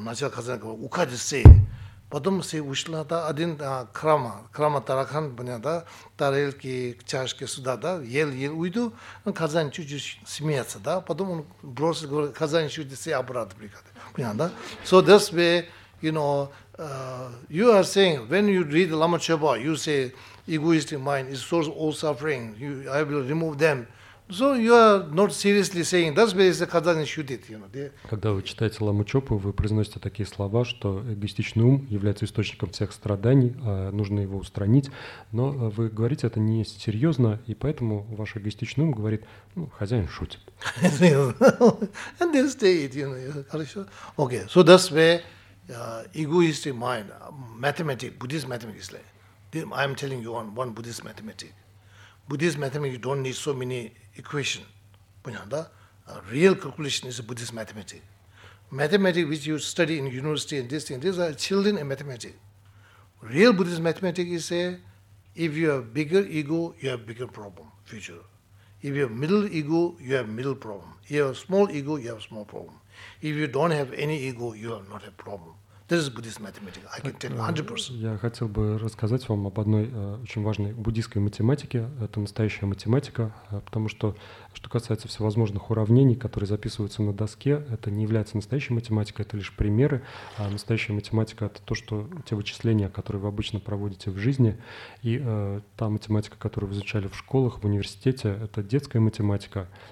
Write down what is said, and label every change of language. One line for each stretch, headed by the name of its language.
Russian: Начал хозяин говорить, уходи все. Потом все ушли, да, один крама, крама таракан, понятно, да? Тарелки, чашки сюда, да? Ел-ел уйду, хозяин чуть-чуть смеется, да? Потом он бросит, говорит, хозяин шутит, все обратно приходит. Понятно, да?
English: So this way, you know, you are saying, when you read Lama Chöpa, you say, egoistic mind is source of all suffering, I will remove them. So you are not seriously saying, that's why the Kazan should it, you know.
Russian: Когда вы читаете Ламу Чопу, вы произносите такие слова, что эгоистичный ум является источником всех страданий, нужно его устранить, но вы говорите это не серьезно, и поэтому ваш эгоистичный ум говорит, ну, хозяин шутит.
English: And they stay it, you know.
Russian: Хорошо?
English: Okay, so that's where egoistic mind, mathematics, Buddhist mathematics, I'm telling you one Buddhist mathematics. Buddhist mathematics, you don't need so many equation,
Russian: понятно, да?
English: Real calculation is a Buddhist mathematics. Mathematics which you study in university and this thing, these are children in mathematics. Real Buddhist mathematics is a, if you have bigger ego, you have bigger problem, future. If you have middle ego, you have middle problem. If you have small ego, you have small problem. If you don't have any ego, you have not a problem. This is Buddhist mathematics. I can tell you 100%.
Russian: Я хотел бы рассказать вам об одной очень важной буддийской математике. Это настоящая математика, потому что, что касается всевозможных уравнений, которые записываются на доске, это не является настоящей математикой, это лишь примеры. А настоящая математика — это то, что те вычисления, которые вы обычно проводите в жизни, и та математика, которую вы изучали в школах, в университете, это детская математика.